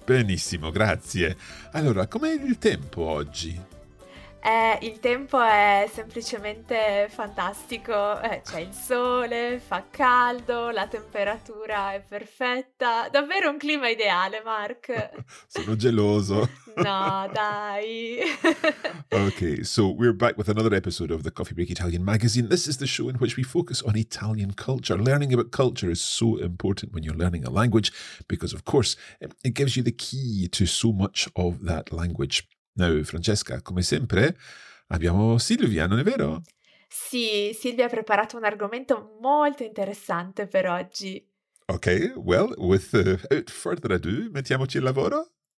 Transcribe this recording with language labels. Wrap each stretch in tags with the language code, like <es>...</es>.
<it>Benissimo, grazie. Allora, com'è il tempo oggi? Il tempo è semplicemente fantastico, c'è il sole, fa caldo, la temperatura è perfetta, davvero un clima ideale, Mark. Sono geloso. No, dai.</it> <en>Okay, so we're back with another episode of the Coffee Break Italian Magazine. This is the show in which we focus on Italian culture. Learning about culture is so important when you're learning a language because, of course, it gives you the key to so much of that language.</en> <it>Now, Francesca, come sempre, abbiamo Silvia, non è vero? Sì, Silvia ha preparato un argomento molto interessante per oggi.</it> <en>Ok, well, without further ado,</en> <it>mettiamoci al lavoro?</it>